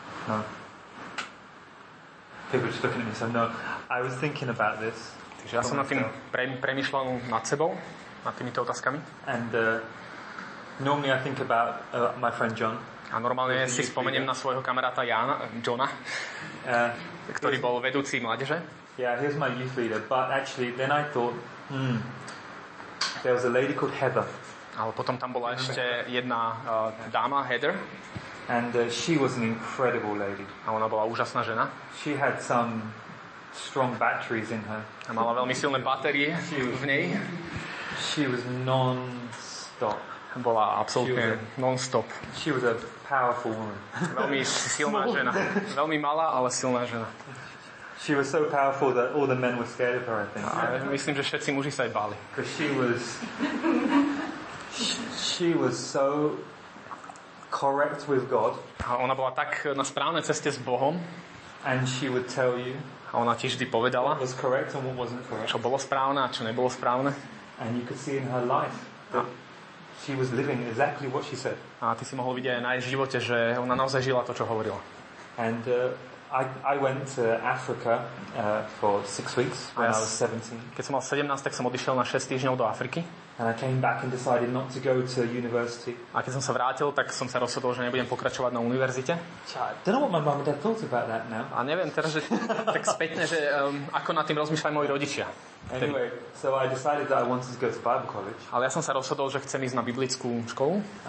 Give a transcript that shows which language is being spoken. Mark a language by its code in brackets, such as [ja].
[en] No. People just looking at me, so no. I was thinking about this. [sk] Takže ja som nad tým premýšľal nad sebou, nad týmito otázkami. [en] And normally I think about my friend John. [sk] A normálne si spomeniem na svojho kamaráta Jana, Johna, ktorý bol vedúci mládeže. [en] yeah, here's my youth leader. But actually, then I thought, there was a lady called Heather. [sk] Ale potom tam bola ešte jedna dáma, Heather. [en] And she was an incredible lady. [sk] A ona bola úžasná žena. [en] She had some strong batteries in her. [sk] A mala veľmi silné batérie v nej. [en] She was non-stop. [sk] Bola absolútne non-stop. [en] She was a powerful woman. [sk] Veľmi silná žena. Veľmi malá, ale silná žena. [en] She was so powerful that all the men were scared of her, I think. [sk] A myslím, že všetci muži sa jej báli. [en] Because she was so correct with God. [sk] A ona bola tak na správnej ceste s Bohom. [en] And she would tell you. [sk] A ona ti vždy povedala. [en] What was correct and what wasn't correct. [sk] Čo bolo správne a čo nebolo správne. [en] And you could see in her life that she was living exactly what she said. [sk] A ty si mohol vidieť aj na jej živote, že ona naozaj žila to, čo hovorila. [en] And I went to Africa for 6 weeks when I was 17. [sk] Keď som mal 17, tak som odišiel na 6 týždňov do Afriky. [en] And I came back and decided not to go to university. [sk] A keď som sa vrátil, tak som sa rozhodol, že nebudem pokračovať na univerzite. [en] I don't know what my mom and dad thought about that now. [sk] A neviem teraz, že tak spätne, že ako nad tým rozmýšľajú moji rodičia. [en] Anyway, so I decided that I wanted to go to Bible college. [sk] Ale ja som sa rozhodol, že chcem ísť na biblickú školu.